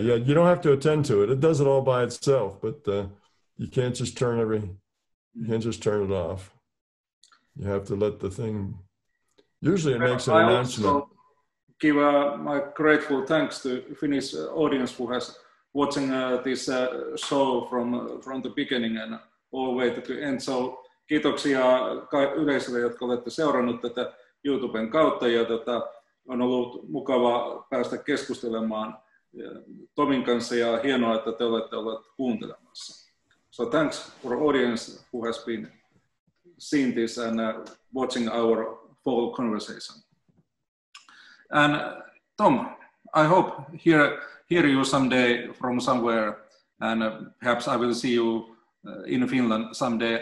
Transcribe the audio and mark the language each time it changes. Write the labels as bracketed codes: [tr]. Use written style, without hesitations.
[en] Yeah, you don't have to attend to it. It does it all by itself. But you can't just turn you can't just turn it off. You have to let the thing. Usually, it makes an announcement. Also give my grateful thanks to Finnish audience who has watching this show from the beginning and all the way to the end. [fi] So, kiitoksia yleisölle, jotka olette seurannut tätä YouTuben kautta, ja on ollut mukava päästä keskustelemaan Tomin kanssa, ja hienoa, että te olette olleet kuuntelemassa. [en] So, thanks for the audience who has been seeing this and watching our full conversation. And Tom, I hope hear you someday from somewhere, and perhaps I will see you in Finland someday.